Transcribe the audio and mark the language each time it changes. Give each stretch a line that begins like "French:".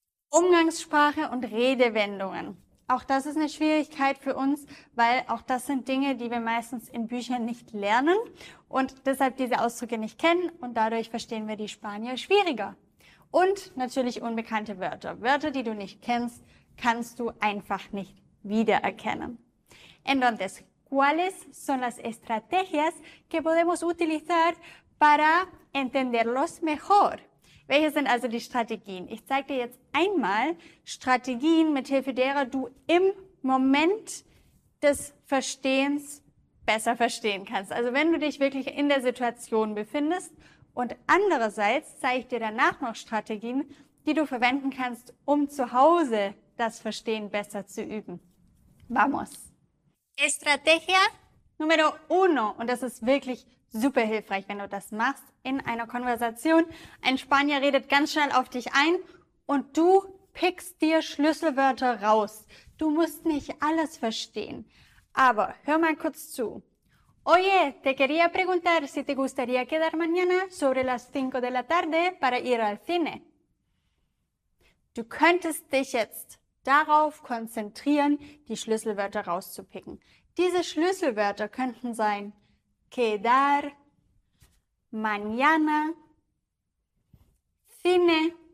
German: Umgangssprache und Redewendungen. Auch das ist eine Schwierigkeit für uns, weil auch das sind Dinge, die wir meistens in Büchern nicht lernen und deshalb diese Ausdrücke nicht kennen und dadurch verstehen wir die Spanier schwieriger. Und natürlich unbekannte Wörter. Wörter, die du nicht kennst, kannst du einfach nicht wiedererkennen.
Spanish: Entonces, ¿cuáles son las estrategias que podemos utilizar para entenderlos mejor?
German: Welche sind also die Strategien? Ich zeige dir jetzt einmal Strategien, mithilfe derer du im Moment des Verstehens besser verstehen kannst. Also wenn du dich wirklich in der Situation befindest. Und andererseits zeige ich dir danach noch Strategien, die du verwenden kannst, um zu Hause das Verstehen besser zu üben.
Spanish: Vamos! Estrategia número uno.
German: Und das ist wirklich super hilfreich, wenn du das machst in einer Konversation. Ein Spanier redet ganz schnell auf dich ein und du pickst dir Schlüsselwörter raus. Du musst nicht alles verstehen. Aber hör mal kurz zu.
Spanish: Oye, te quería preguntar si te gustaría quedar mañana sobre las 5 de la tarde para ir al cine.
German: Du könntest dich jetzt darauf konzentrieren, die Schlüsselwörter rauszupicken. Diese Schlüsselwörter könnten sein quedar, mañana, cine.